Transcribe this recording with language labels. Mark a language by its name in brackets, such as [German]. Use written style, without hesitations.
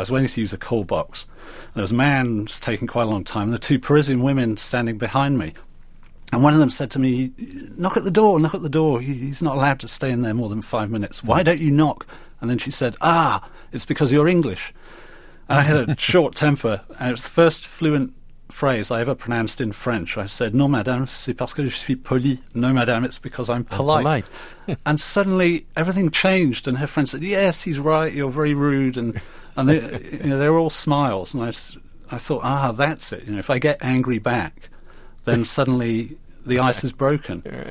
[English] I was waiting to use a call box. There was a man, it was taking quite a long time, and the two Parisian women standing behind me. And one of them said to me, "Knock at the door, knock at the door. He's not allowed to stay in there more than 5 minutes. Why don't you knock?" And then she said, "Ah, it's because you're English." And I had a short temper. And it was the first fluent phrase I ever pronounced in French. [French] I said, "Non, madame, c'est parce que je suis poli." [English] "No, madame, it's because I'm polite." And suddenly everything changed. And her friend said, "Yes, he's right. You're very rude." And they, you know, they were all smiles. And I thought, ah, that's it. You know, if I get angry back, then suddenly the ice is broken.